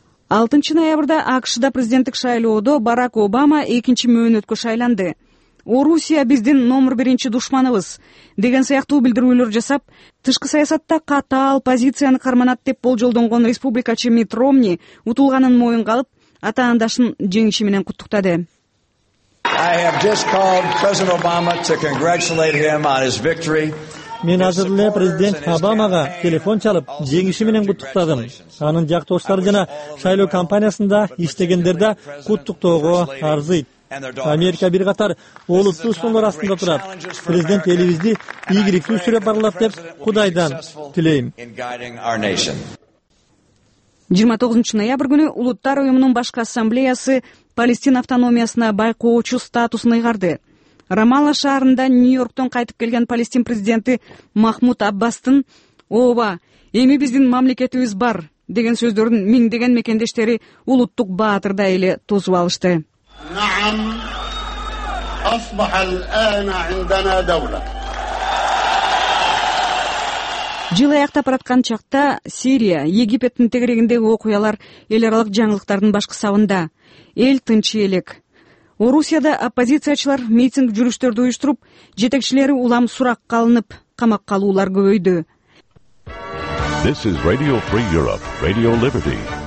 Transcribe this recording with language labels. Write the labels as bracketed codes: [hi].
[ky] 6 ноябрда АКШда президенттик шайлоодо Барак Обама экинчи мөөнөткө шайланды. О Русия биздин номер биринчи душманыбыз деген сыяктуу билдирүүлөр жасап, тышкы саясатта катаал позицияны карманат деп болжолдонгон республикачы Мит Ромни утулганын моюнга алып, атаандашын жеңиши менен куттуктады. [en] I have just called President Obama to congratulate him on his victory. [ky] Мен азыр эле президент Обамага телефон чалып, жеңиши менен куттуктадым. Анын жактоочтору жана шайлоо кампаниясында иштегендер да куттуктоого арзыйт. Америка бир катар олуттуу сунулар астында турат. Президент элибизди ийгиликтүү сүрөп баралат деп Кудайдан тилейм. 29 ноябрь күнү Улуттар уюмунун башкы ассамблеясы Палестина автономиясына байкоочу статусун ыйгарды. Рамалла шаарында Нью-Йорктон кайтып келген Палестин президенти Махмуд Аббастын «Ооба, эми биздин мамлекетибиз бар» деген сөздөрүн миңдеген мекендештери улуттук баатырда эле тосуп алышты. [ar] نعم اصبح الان عندنا دوله [ky] жыл аяктап бараткан чакта Сирия, Египеттин тегерегиндеги окуялар эл аралык жаңылыктардын башкы сабында. Эл тынчы элек. Орусияда оппозициячылар митинг жүрүштөрдү уюштуруп, жетекчилери улам суракка алынып, камакка алуулар көбөйдү. [en] This is Radio Free Europe, Radio Liberty.